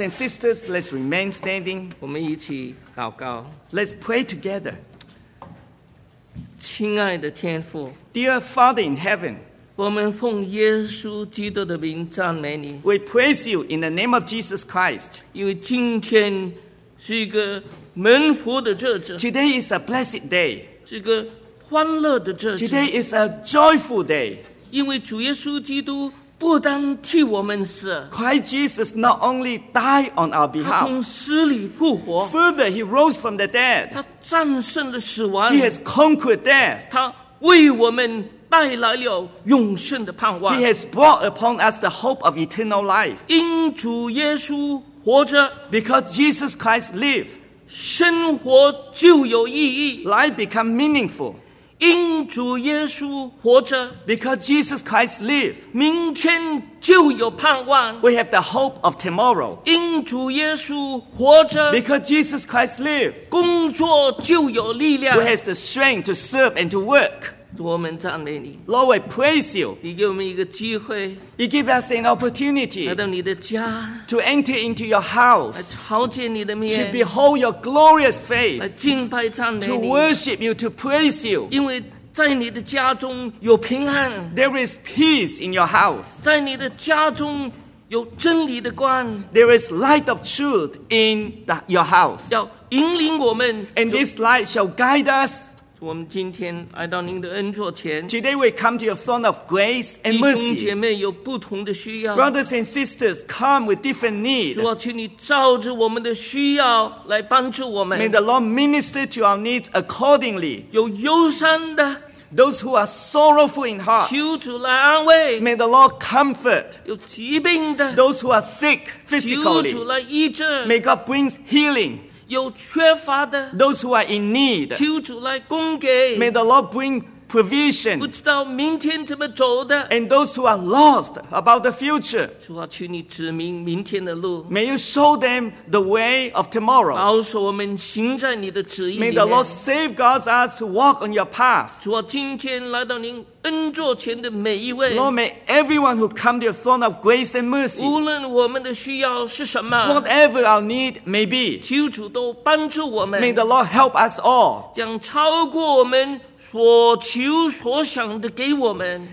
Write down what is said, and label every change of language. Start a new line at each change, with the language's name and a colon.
English: and sisters, let's remain standing.
Chinese: 我们一起祷告。
English: Let's pray together.
Chinese: 亲爱的天父
English: ，Dear Father in heaven，
Chinese: 我们奉耶稣基督的名赞美你。
English: We praise you in the name of Jesus Christ.
Chinese: 因为今天是一个蒙福的日子。
English: Today is a blessed day.
Chinese: 是一个欢乐的日子。
English: Today is a joyful day.
Chinese: 因为主耶稣基督。不单替我们死
English: Christ Jesus not only died on our behalf
Chinese: 他从死里复活
English: Further he rose from the dead
Chinese: 他战胜了死亡
English: He has conquered death
Chinese: 他为我们带来了永生的盼望
English: He has brought upon us the hope of eternal life
Chinese: 因主耶稣活着
English: Because Jesus Christ lived
Chinese: 生活就有意义
English: Life become meaningful
Chinese: 因主耶稣活着
English: Because Jesus Christ lives
Chinese: 明天就有盼望
English: We have the hope of tomorrow
Chinese: 因主耶稣活着
English: Because Jesus Christ lives
Chinese: 工作就有力量
English: We have the strength to serve and to work
Chinese: 我们赞美你。
English: Lord, we praise you.
Chinese: 你给我们一个机会。
English: You give us an opportunity.
Chinese: 来到你的家。
English: To enter into your house.
Chinese: 来朝见你的面。
English: To behold your glorious face.
Chinese: 来敬拜赞美你。
English: To worship you, to praise you.
Chinese: 因为在你的家中有平安。
English: There is peace in your house.
Chinese: 在你的家中有真理的光。
English: There is light of truth in your house.
Chinese: 要引领我们。
English: And this light shall guide us.
Chinese: 我们今天来到您的恩座前。
English: Today we come to your throne of grace and mercy.
Chinese: 弟兄姐妹有不同的需要。
English: Brothers and sisters come with different needs.
Chinese: 主啊，请你照着我们的需要来帮助我们。
English: May the Lord minister to our needs accordingly.
Chinese: 有忧伤的。
English: Those who are sorrowful in heart.
Chinese: 求主来安慰。
English: May the Lord comfort.
Chinese: 有疾病的。
English: Those who are sick physically.
Chinese: 求主来医治。
English: May God bring healing.
Chinese: 有缺乏的
English: those who are in need,
Chinese: 求主来供给
English: may the Lord bring provision,
Chinese: 不知道明天怎么走的
English: and those who are lost about the future,
Chinese: 主啊，求你指明明天的路
English: may you show them the way of tomorrow,
Chinese: 保守我们行在你的旨意里面
English: may the Lord safeguard us to walk on your path,
Chinese: 主啊，今天来到您恩座前的每一位
English: Lord, may everyone who come to your throne of grace and mercy
Chinese: 无论我们的需要是什么
English: Whatever our need may be
Chinese: 求主都帮助我们
English: May the Lord help us all
Chinese: 将超过我们所求所想的给我们